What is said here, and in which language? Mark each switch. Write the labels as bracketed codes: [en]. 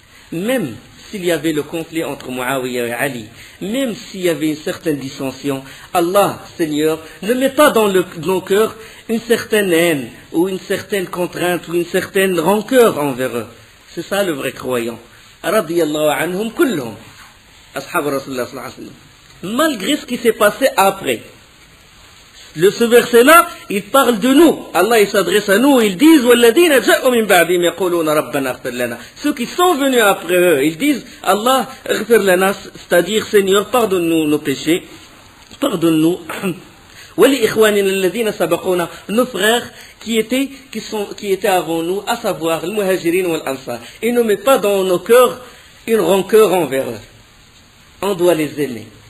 [ar] Même s'il y avait le conflit entre Muawiyah et Ali, même s'il y avait une certaine dissension, Allah, Seigneur, ne mets pas dans nos cœurs une certaine haine, ou une certaine contrainte, ou une certaine rancœur envers eux. C'est ça le vrai croyant. Radiallahu anhum kullum. Ashab Rasulullah sallallahu alayhi wa sallam. Malgré ce qui s'est passé après. Ce verset-là, il parle de nous. Allah, il s'adresse à nous. Ils disent, وَالَّذِينَ جَاءُوا مِنْ بَعْدِهِمْ يَقُولُونَ رَبَّنَا اغْفِرْ لَنَا. Ceux qui sont venus après eux, ils disent, Allah, اغْفِرْ لَنَا, c'est-à-dire, Seigneur, pardonne-nous nos péchés. [fr] Pardonne-nous. [ar] وَلِإِخْوَانِنَا الَّذِينَ سَبَقُونَا. [fr] Nos frères qui étaient avant nous, à savoir, les muhajirines ou l'ansar. Ils ne mettent pas dans nos cœurs une rancœur envers eux. On doit les aimer.